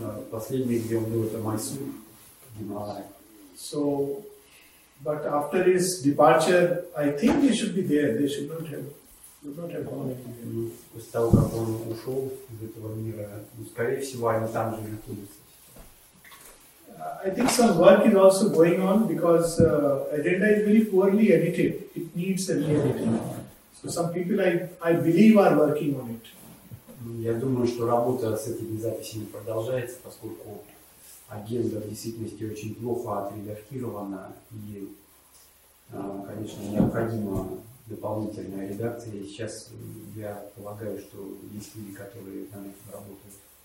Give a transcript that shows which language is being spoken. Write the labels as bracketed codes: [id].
[ru] Последний, где он был, это Mysore, Гималай. [en] So, but after his departure, I think they should be there. They should not have. [ru] Ну, после того, как он ушел из этого мира, ну, скорее всего, они там же находятся. [en] I think some work is also going on because agenda is very poorly edited. It needs a re-editing. So some people I believe are working on it. [ru] Я думаю, что работа с этими записями продолжается, поскольку агенда в действительности очень плохо отредактирована и, конечно, необходимо. Дополнительная редакция. Сейчас я полагаю, что есть люди, которые над этим работают.